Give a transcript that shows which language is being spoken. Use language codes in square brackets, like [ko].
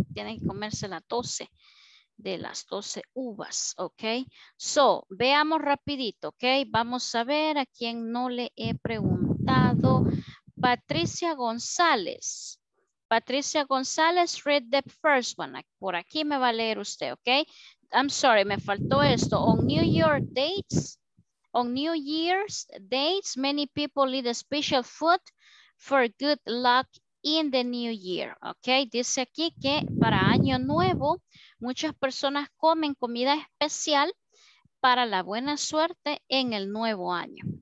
[es] Tienen que comerse la 12 de las 12 uvas, ¿ok? So, veamos rapidito, ¿ok? Vamos a ver a quién no le he preguntado. [en] Patricia González. Patricia González, read the first one. [es] Por aquí me va a leer usted, ¿ok? [en] I'm sorry, [es] me faltó esto. [en] On New Year's dates, many people eat a special food for good luck in the New Year. [es] Okay, dice aquí que para Año Nuevo, muchas personas comen comida especial para la buena suerte en el nuevo año.